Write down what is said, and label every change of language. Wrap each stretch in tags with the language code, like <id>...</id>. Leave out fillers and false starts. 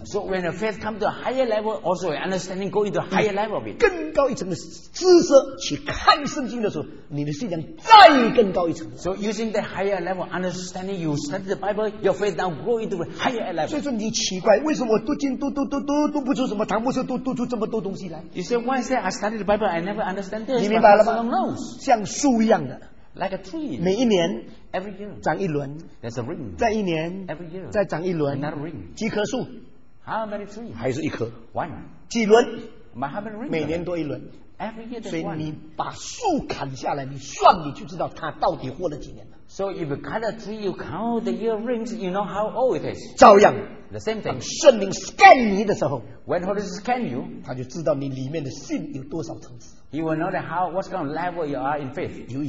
<en>So when your faith comes to a higher level, also your understanding goes into a higher level of it.</en> <zh>更高一层的知识去看圣经的时候，你的信仰再更高一层。</zh> <en>So using the higher level understanding, you study the Bible, your faith now grows into a higher level.</en> <zh>所以说你奇怪，为什么读经读不出什么，谈不出读出这么多东西来？</zh> <en>You say, why say I study the Bible, I never understand this?</en> <zh>你明白了吗？</zh> <en>But someone knows.</en> <zh>像树一样的。</zh> <en>Like a tree.</en> <zh>每一年,</zh> <en>every year,</en> <zh>长一轮,</zh> <en>there's a ring.</en> <zh>再一年,</zh> <en>every year,</en> <zh>再长一轮,</zh> <en>another ring.</en> <zh>几棵树,</zh> <en>how many trees?</en> <zh>还是一棵,</zh> <en>one.</en> <zh>几轮,</zh> <en>my how many rings?</en> <zh>每年多一轮,</zh> <en>every year there's one.</en> <zh>所以你把树砍下来, 你算你就知道它到底活了几年了。</zh> <en>So if you cut a tree, you count the year rings, you know how old it is.</en> <zh>照样,</zh> <en>the same thing.</en> <zh>当圣灵 scan 你的时候,</zh> <en>when Holy Spirit scan you,</en> <zh>他就知道你里面的信有多少层次。</zh> <en>He will know that how what kind of level you are in faith.</en>